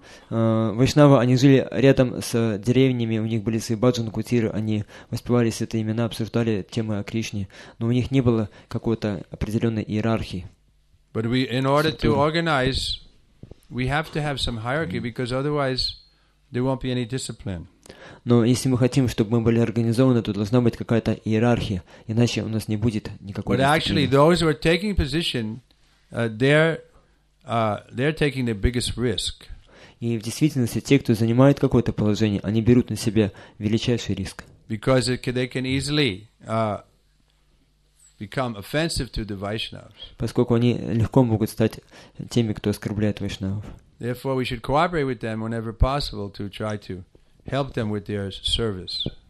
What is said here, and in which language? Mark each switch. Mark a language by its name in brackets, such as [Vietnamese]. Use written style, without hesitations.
[Russian] Вайшнавы, они жили рядом с деревнями, у них были свои баджан-кутиры, они воспевали святые имена, обсуждали темы о Кришне, но у них не было какой-то определенной иерархии. [English] But we, in order to organize, we have to have some hierarchy, because otherwise there won't be any discipline. [Russian] Но если мы хотим, чтобы мы были организованы, то должна быть какая-то иерархия, иначе у нас не будет никакой дисциплины. [English] But actually, those who are taking position, they're taking the biggest risk. [Russian] И в действительности те, кто занимает какое-то положение, они берут на себя величайший риск. [English] Because they can easily become offensive to the Vaishnavas. [Russian] Поскольку они легко могут стать теми, кто оскорбляет Вайшнавов. [English] Therefore, we should cooperate with them whenever possible to try to help them with their service.